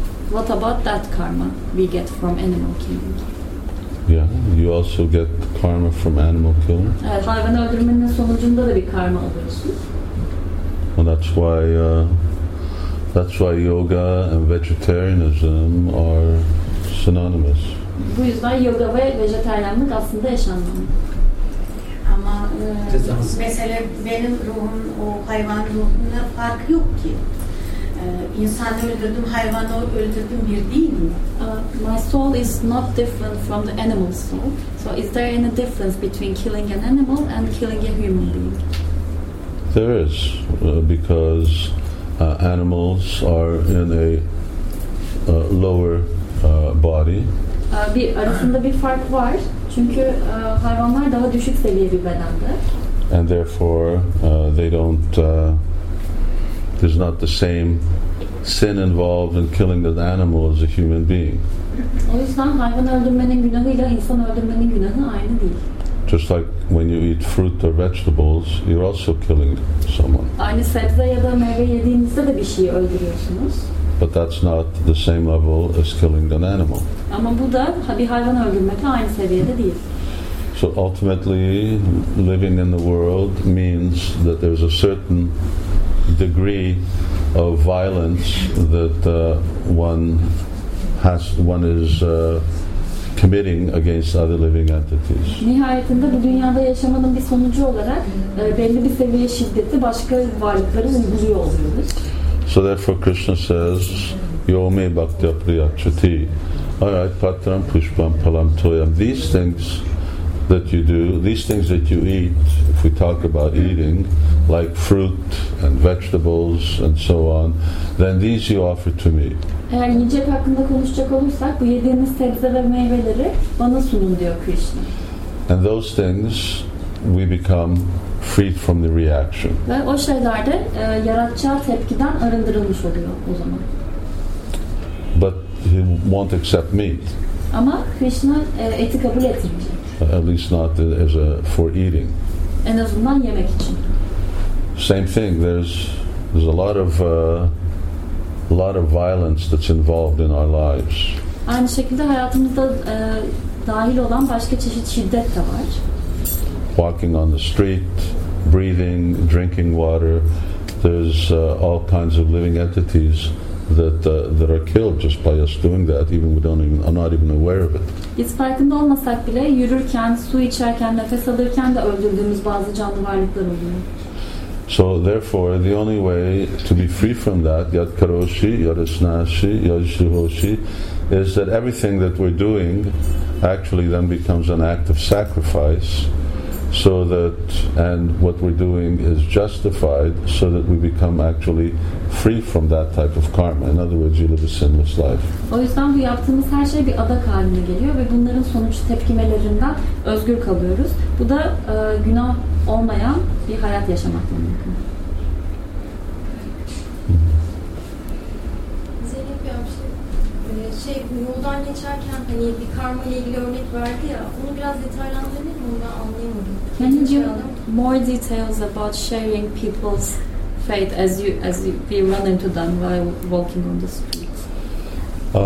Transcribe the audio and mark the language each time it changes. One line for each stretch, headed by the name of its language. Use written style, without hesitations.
English: What about that karma we get from animal killing? Yeah, you also get karma from animal killing.
Turkish: Hayvanı öldürmenin sonucunda da bir karma alıyorsun.
English: Well, that's why yoga and vegetarianism are synonymous.
Turkish: Bu yüzden yoga ve vejetaryenlik aslında eş anlamlı. Ama mesela benim ruhum o hayvan ruhuna farkı yok ki. İnsanı öldürdüm, hayvanı öldürdüm bir değil mi?
English: My soul is not different from the animal's soul. So is there any difference between killing an animal and killing a human being? There is, because animals are in a lower body.
Turkish: Bir arasında bir fark var çünkü hayvanlar daha düşük seviye bir bedende.
English: And therefore they don't there's not the same sin involved in killing an animal as a human being.
Turkish: O yüzden hayvan öldürmenin günahıyla insan öldürmenin günahı aynı değil.
English: Just like when you eat fruit or vegetables, you're also killing someone.
Turkish: Aynı sebze ya da meyve yediğinizde de bir şeyi öldürüyorsunuz.
English: But that's not the same level as killing an animal.
Turkish: Ama bu da bir hayvan öldürmek aynı seviyede değil.
English: So ultimately, living in the world means that there's a certain degree of violence that one is committing against other living entities.
Turkish: Nihayetinde bu dünyada yaşamanın bir sonucu olarak belli bir seviye şiddeti başka varlıkların uyguluyor oluyoruz.
English: So therefore Krishna says,
Sanskrit: Yome Bhaktya Priyachati.
English: Alright,
Sanskrit: Patram Pushpam Palam Toyam.
English: These things that you do, these things that you eat, if we talk about eating, like fruit and vegetables and so on, then these you offer to me.
Turkish: Eğer yiyecek hakkında konuşacak olursak, bu yediğimiz sebze ve meyveleri bana sunun diyor Krishna.
English: And those things, we become freed from the reaction.
Turkish: Ve o şeylerde yaratacağı tepkiden arındırılmış oluyor o zaman.
English: But he won't accept meat.
Turkish: Ama Krishna eti kabul etmeyecek.
English: At least not as a for eating.
Turkish: En azından yemek için.
English: Same thing. There's a lot of violence that's involved in our lives.
Turkish: Aynı şekilde hayatımızda dahil olan başka çeşit şiddet de var.
English: Walking on the street, breathing, drinking water. There's all kinds of living entities that are killed just by us doing that. Even we don't even are not even aware of it.
Turkish: Biz farkında olmasak bile yürürken, su içerken, nefes alırken de öldürdüğümüz bazı canlı varlıklar oluyor.
English: So therefore, the only way to be free from that,
Sanskrit: yad karoshi, yad esnashi, yad shuhoshi,
English: is that everything that we're doing actually then becomes an act of sacrifice. So that, and what we're doing is justified, so that we become actually free from that type of karma. In other words, you live a sinless life.
Turkish: O yüzden bu yaptığımız her şey bir adak haline geliyor ve bunların sonuç tepkimelerinden özgür kalıyoruz. Bu da günah olmayan bir hayat yaşamak demek. Zeynep Bey, bir şey yoldan geçerken hani bir karma ile ilgili örnek verdi ya, onu biraz detaylandırabilir miyim? Onu anlayamadım.
English: Can you give more details about sharing people's faith as we run into them while walking on the street?